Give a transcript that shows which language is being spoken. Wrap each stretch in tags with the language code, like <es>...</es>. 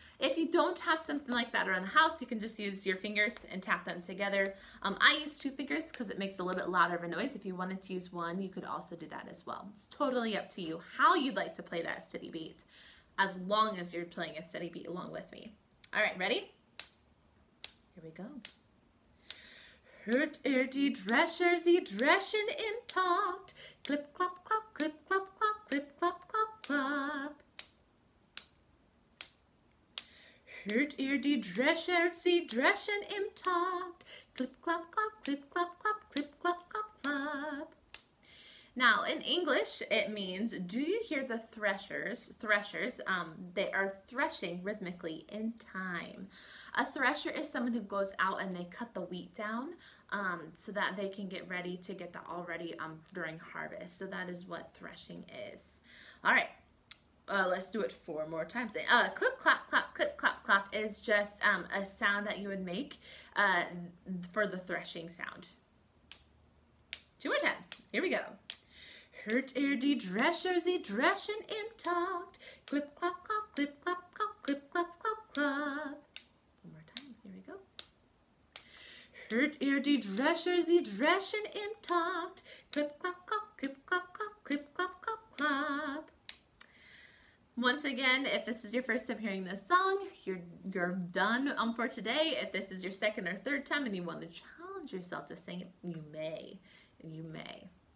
<en>If you don't have something like that around the house, you can just use your fingers and tap them together. I use two fingers because it makes a little bit louder of a noise. If you wanted to use one, you could also do that as well. It's totally up to you how you'd like to play that steady beat, as long as you're playing a steady beat along with me. All right, ready? Here we go.</en> <de>Hört ihr die Drescher, sie dreschen im Takt. Clip, clop, clop, clip, clop, clop, clip, clop, clop, clop. Hört ihr die Drescher, sie dreschen im Takt. Clip, clop, clop, clip, clop, clop, clip, clop, clop, clop.</de> <en>Now, in English, it means, do you hear the threshers, they are threshing rhythmically in time. A thresher is someone who goes out and they cut the wheat down so that they can get ready to get the already during harvest. So that is what threshing is. All right. Let's do it four more times. Clip, clap, clap, clip, clap, clap is just a sound that you would make for the threshing sound. Two more times. Here we go.</en> <de>Hört ihr die Drescher, sie dreschen im Takt. Clip, clap, clap, clip, clap, clap, clip, clap, clap, clap.</de> <en>One more time. Here we go.</en> <de>Hört ihr die Drescher, sie dreschen im Takt. Clip, clap, clap, clip, clap, clap, clip, clap, clap, clap.</de> <en>Once again, if this is your first time hearing this song, you're done for today. If this is your second or third time and you want to challenge yourself to sing it, you may. You may.</en>